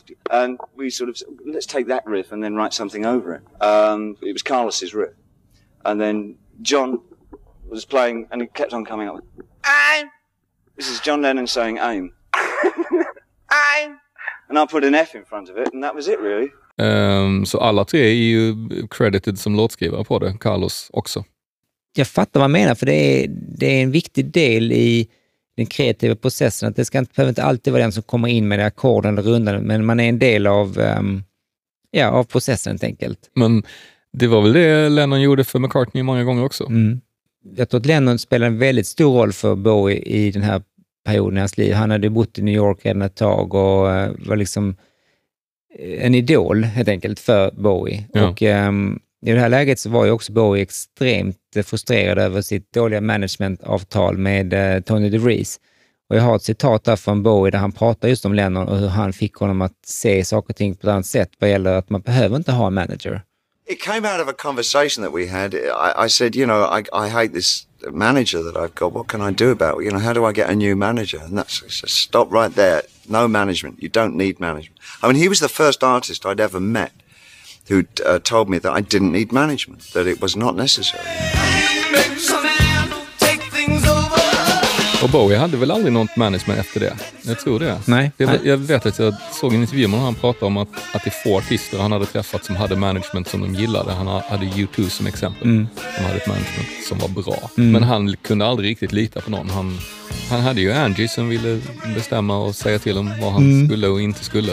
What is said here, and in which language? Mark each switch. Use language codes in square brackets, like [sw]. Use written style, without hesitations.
[en] And we sort of said, let's take that riff and then write something over it. It was Carlos's riff. And then John was playing, and it kept on coming up. Aim! This is John Lennon saying aim. Aim! And I put an F in front of it, and that was it, really. [sv] Så alla tre är ju credited som låtskrivare på det, Carlos också. Jag fattar vad man menar, för det är en viktig del i den kreativa processen, att det ska behöver inte alltid vara den som kommer in med ackorden eller rundan, men man är en del av processen, helt enkelt. Men det var väl det Lennon gjorde för McCartney många gånger också. Jag tror att Lennon spelade en väldigt stor roll för Bowie i den här perioden i hans liv. Han hade bott i New York redan ett tag och var liksom en idol, helt enkelt, för Bowie. Ja. Och i det här läget så var ju också Bowie extremt frustrerad över sitt dåliga managementavtal med Tony DeVries. Och jag har ett citat där från Bowie där han pratar just om Lennon och hur han fick honom att se saker och ting på ett annat sätt vad gäller att man behöver inte ha en manager. [en] It came out of a conversation that we had. I said, you know, I hate this manager that I've got. What can I do about it? You know, how do I get a new manager? And that's just stop right there. No management. You don't need management. I mean, he was the first artist I'd ever met who told me that I didn't need management, that it was not necessary. [sv] Och Bowie hade väl aldrig något management efter det? Jag tror det. Nej. Jag vet att jag såg en intervju med honom han pratade om att det är få artister han hade träffat som hade management som de gillade. Han hade U2 som exempel. De hade ett management som var bra. Men han kunde aldrig riktigt lita på någon. Han hade ju Angie som ville bestämma och säga till honom vad han skulle och inte skulle.